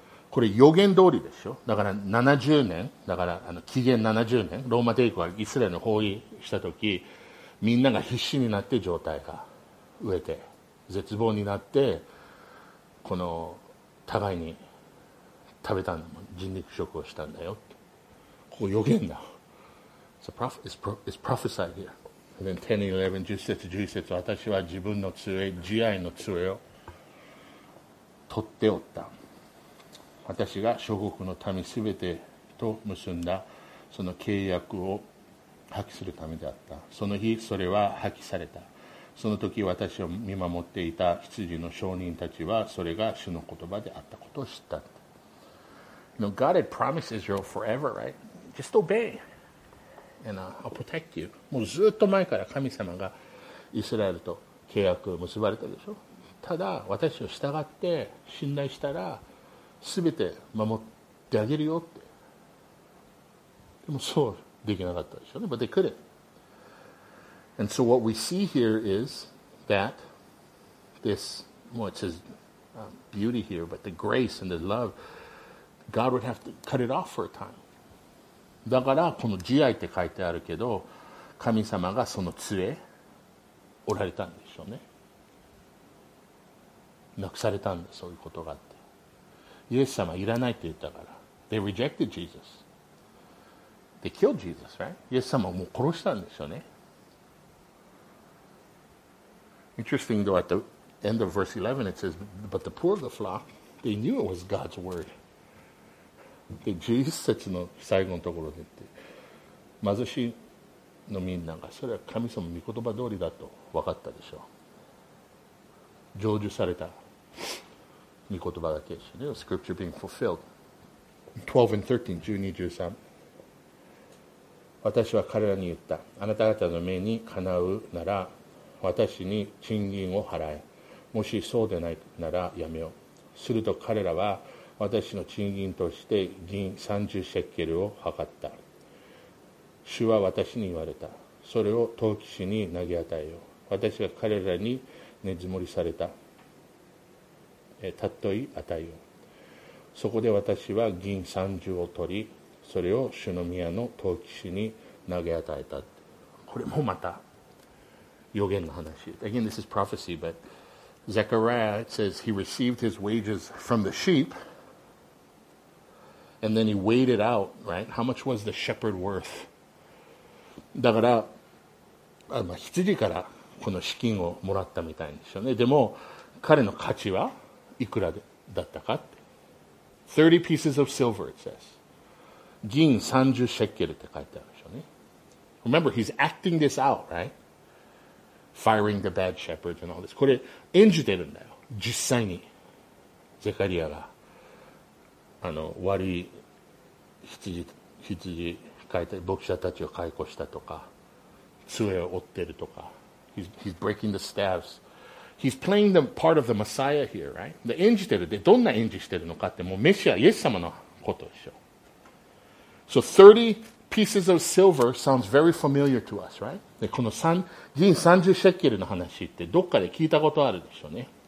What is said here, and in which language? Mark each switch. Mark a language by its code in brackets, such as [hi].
[ja] これ予言通りでしょ。だから70年、だからあの紀元70年、ローマ帝国がイスラエルに包囲したとき、みんなが必死になって状態が飢えて絶望になってこの互いに食べたんだもん、人肉食をしたんだよって。ここ予言だ。 [en] It's prophesied here. And then 10 and 11, [ja] 10節11節、私は自分の杖、慈愛の杖を取っておった。私が諸国の民すべてと結んだその契約を破棄するためであった。その日それは破棄された。その時私を見守っていた羊の証人たちはそれが主の言葉であったことを知った。 [en] you know, God had promised Israel forever, right? Just obey and I'll protect you. [ja] もうずっと前から神様がイスラエルと契約を結ばれたでしょ。ただ私を従って信頼したら全て守ってあげるよって。でもそうできなかったでしょうね。 [en] But they couldn't. And so what we see here is that this, well, it says beauty here, but the grace and the love, God would have to cut it off for a time. [ja] だからこの慈愛って書いてあるけど、神様がその杖おられたんでしょうね。なくされたんだ、そういうことがあって。イエス様いらないって言ったから。 [en] They rejected Jesus. They killed Jesus, right? [ja] イエス様をもう殺したんでしょうね。 [en] Interesting though, at the end of verse 11 it says, but the poor of the flock, they knew it was God's word. [ja] で、11節の最後のところでって、貧しいのみんながそれは神様の御言葉通りだと分かったでしょう。成就された御言葉だけですね。 [en] Scripture being fulfilled. [ja] 12 and 13, 12-13。 私は彼らに言った。あなた方の目にかなうなら、私に賃金を払え。もしそうでないならやめよう。すると彼らは私の賃金として銀30シェッケルを測った。主は私に言われた。それを陶器師に投げ与えよう。私が彼らに根積もりされた。たっとい与えよう。そこで私は銀30を取り、それを主の宮の陶器師に投げ与えた。これもまた予言の話。 [en] Again, this is prophecy, but Zechariah says he received his wages from the sheep and then he weighed it out, right? How much was the shepherd worth? [ja] だから、羊からこの資金をもらったみたいでしょうね。でも彼の価値はいくらだったかって。 [en] 30 pieces of silver, it says. [ja] 銀30シェッケルって書いてあるでしょうね。 [en] Remember, he's acting this out, right? Firing the bad shepherds and all this. [ja] これ演じてるんだよ。実際にゼカリアが悪い羊牧者たちを解雇したとか杖を折ってるとか [en] he's breaking the staffs. He's playing the part of the Messiah here, right? [ja] で演じてるでどんな演じしてるのかってもうメシアイエス様のことでしょ。 [en] So 30 pieces of silver sounds very familiar to us, right? [ja] でこの銀30シェッケルの話ってどっかで聞いたことあるでしょうね。